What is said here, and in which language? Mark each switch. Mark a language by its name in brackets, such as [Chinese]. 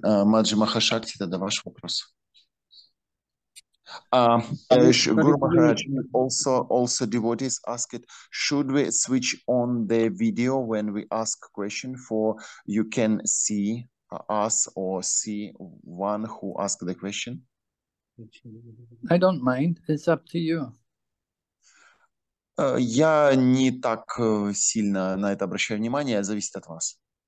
[Russian] Маджи Махашакти, тогда ваш вопрос. [English] Guru Maharaj, also devotees ask it, should we switch on the video when we ask question for you can see us or see one who asked the question? I don't mind. It's up to you. [Russian] Я не так сильно на это обращаю внимание, зависит от вас.